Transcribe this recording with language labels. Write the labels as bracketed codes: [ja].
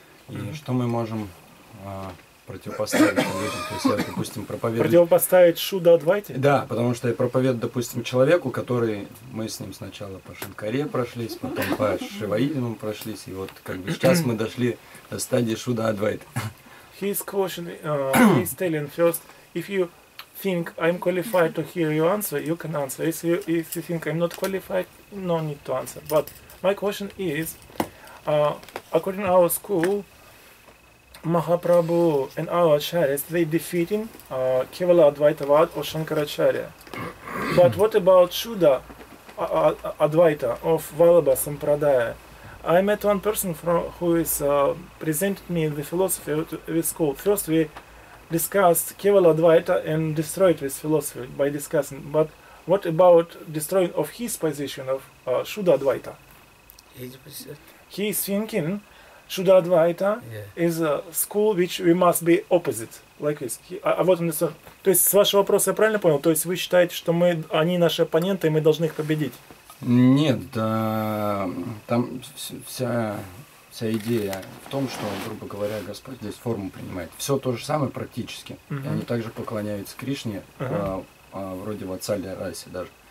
[ru] И что мы можем противопоставить людям? То есть, допустим, противопоставить Шуда Адвайте? Да, потому что я проповедую, допустим, человеку, который мы с ним сначала по Шанкаре прошлись, потом по Шиваизму прошлись, и вот как бы сейчас мы дошли до стадии Шуда Адвайта. [en] He's questioning, he's telling first, if you think I'm qualified to hear your answer, you can answer. If you think I'm not qualified, no need to answer. But my question is, according to our school, Mahaprabhu and our acharyas, they defeating Kevala Advaitavad or Shankaracharya. But what about Shuddha Advaita of Vallabha Sampradaya? I met one person who presented me the philosophy of the school. First we discussed Kevala Advaita and destroyed this philosophy by discussing. But what about destroying of his position of Shuddha Advaita? He is thinking Shuddha Advaita is a school which we must be opposite, like this. [ru] А вот он сказал. То есть с вашего вопроса я правильно понял? То есть вы считаете, что мы, они наши оппоненты, и мы должны их победить? Нет, да, там вся идея в том, что, грубо говоря, Господь здесь форму принимает. Все то же самое практически. Uh-huh. Они также поклоняются Кришне, вроде в Ацалья Расе даже.